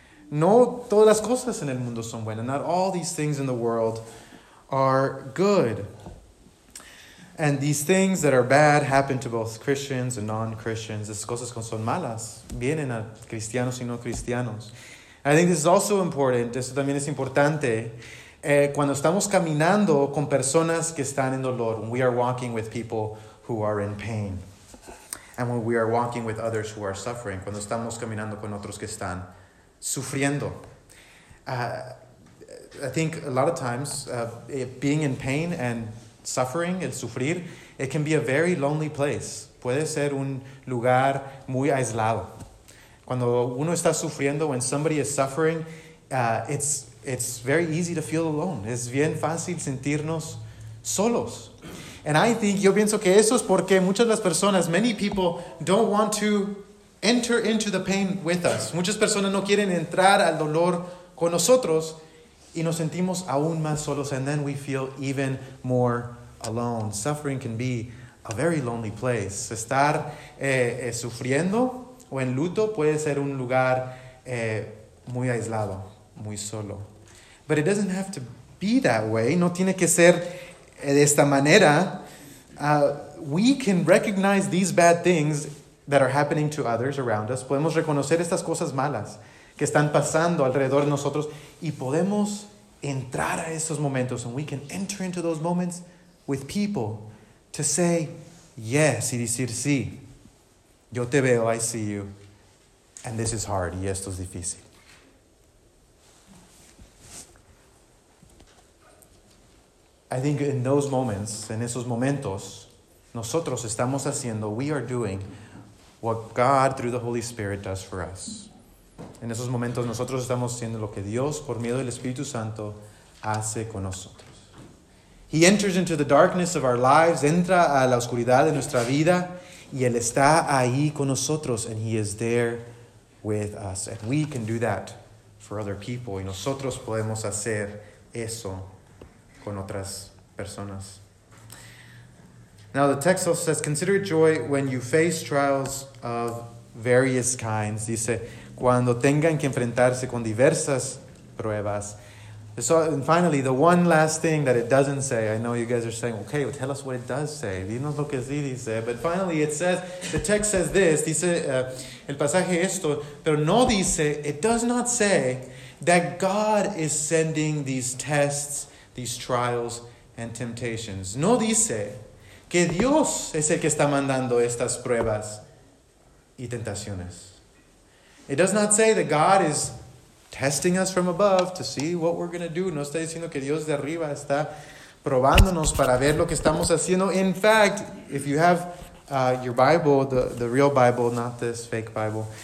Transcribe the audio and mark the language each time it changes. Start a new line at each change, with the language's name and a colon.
Spanish: No todas las cosas en el mundo son buenas.
English: Not all these things in the world are good. And these things that are bad happen to both Christians and non-Christians.
Spanish: Esas cosas que son malas vienen a cristianos y no cristianos.
English: I think this is also important. Esto también es importante. Cuando estamos caminando con personas que están en dolor, when we are walking with people who are in pain. And when we are walking with others who are suffering.
Spanish: Cuando estamos caminando con otros que están sufriendo.
English: I think a lot of times being in pain and suffering, el sufrir, it can be a very lonely place.
Spanish: Puede ser un lugar muy aislado. Cuando uno está sufriendo, when somebody is suffering, it's very easy to feel alone. Es bien fácil sentirnos solos. And I think, yo pienso que eso es porque muchas de las personas, many people don't want to enter into the pain with us. Muchas personas no quieren entrar al dolor con nosotros y nos sentimos aún más solos, and then we feel even more alone.
English: Suffering can be a very lonely place.
Spanish: Estar sufriendo o en luto puede ser un lugar muy aislado, muy solo.
English: But it doesn't have to be that way. No tiene que ser de esta manera. We can recognize these bad things that are happening to others around us.
Spanish: Podemos reconocer estas cosas malas que están pasando alrededor de nosotros y podemos entrar a esos momentos, and we can enter into those moments with people to say yes y decir sí. Yo te veo, I see you, and this is hard, y esto es difícil.
English: I think in those moments, en esos momentos, nosotros estamos haciendo, we are doing what God, through the Holy Spirit, does for us.
Spanish: En esos momentos, nosotros estamos haciendo lo que Dios, por medio del Espíritu Santo, hace con nosotros.
English: He enters into the darkness of our lives, entra a la oscuridad de nuestra vida, y Él está ahí con nosotros, and He is there with us. And we can do that for other people.
Spanish: Y nosotros podemos hacer eso con otras personas.
English: Now the text also says, consider it joy when you face trials of various kinds.
Spanish: Dice, cuando tengan que enfrentarse con diversas pruebas.
English: So, and finally, the one last thing that it doesn't say. I know you guys are saying, okay, well, tell us what it does say. Dinos lo que sí dice. But finally, it says, the text says this. Dice, el pasaje esto. Pero no dice, it does not say that God is sending these tests, these trials and temptations.
Spanish: No dice que Dios es el que está mandando estas pruebas y tentaciones.
English: It does not say that God is testing us from above to see what we're going to do.
Spanish: No está diciendo que Dios de arriba está probándonos para ver lo que estamos haciendo.
English: In fact, if you have your Bible, the real Bible, not this fake Bible.